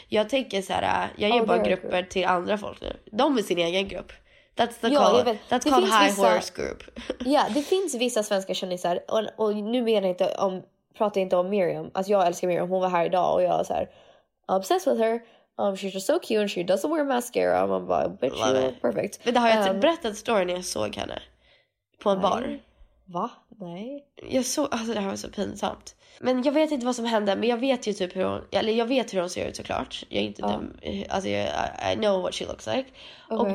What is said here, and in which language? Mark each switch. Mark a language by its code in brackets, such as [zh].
[sv] Jag tänker så här, jag ger bara grupper till andra folk nu. De är sin egen grupp. [en] That's called high horse group. [sv] Ja, det finns vissa svenska kändisar och nu menar jag inte om pratar inte om Miriam. Alltså jag älskar Miriam. Hon var här idag och jag är så här [en] obsessed with her. She's just so cute and she doesn't wear mascara. I'm like, bitch, you're perfect. [sv] Men det har jag inte berättat story när jag såg henne. På en bar. Va? Nej. Jag såg, alltså det här var så pinsamt. Men jag vet inte vad som hände, men jag vet ju typ hur hon, eller jag vet hur hon ser ut såklart. Jag är inte dum, alltså jag, [en] I know what she looks like. Okay.